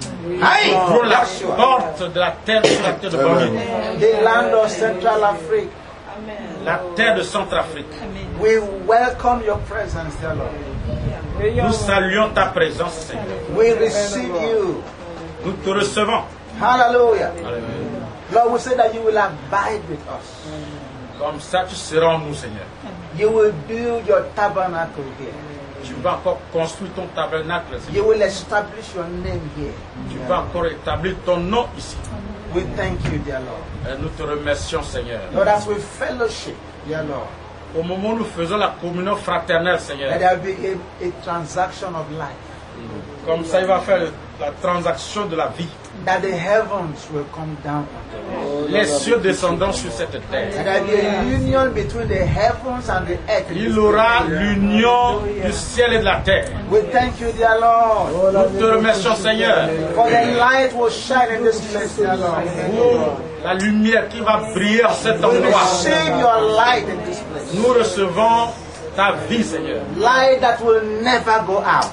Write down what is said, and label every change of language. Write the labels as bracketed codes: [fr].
[fr] Ouvrons la porte de la terre de Bangui. [en] The land of Central Africa. Amen. [fr] La terre de Centrafrique. [en] Amen. We welcome your presence, dear Lord. [fr] Nous saluons ta présence, Seigneur. [en] We receive you. [fr] Nous te recevons. [en] Hallelujah. Lord, we say that you will abide with us. [fr] Comme ça, tu seras en nous, Seigneur. [en] You will build your tabernacle here. [fr] Tu vas encore construire ton tabernacle, Seigneur. [en] You will establish your name here. [fr] Tu vas encore établir ton nom ici. [en] We thank you, dear Lord. [fr] Et nous te remercions, Seigneur. [en] Lord, as we fellowship, dear Lord. [fr] Au moment où nous faisons la communion fraternelle, Seigneur. [en] There will be a transaction of life. [fr] Comme ça, il va faire la transaction de la vie. [en] That the heavens will come down on the earth. [fr] Les cieux descendant sur cette terre. [en] And that the union between the heavens and the earth. [fr] Il aura l'union du ciel et de la terre. [en] We thank you, dear Lord. [fr] Nous te remercions, Seigneur. [en] For the light will shine in this place, dear Lord. [fr] La lumière qui va briller en cet endroit. [en] We receive your light in this place. [fr] Nous recevons ta vie, Seigneur. [en] Light that will never go out.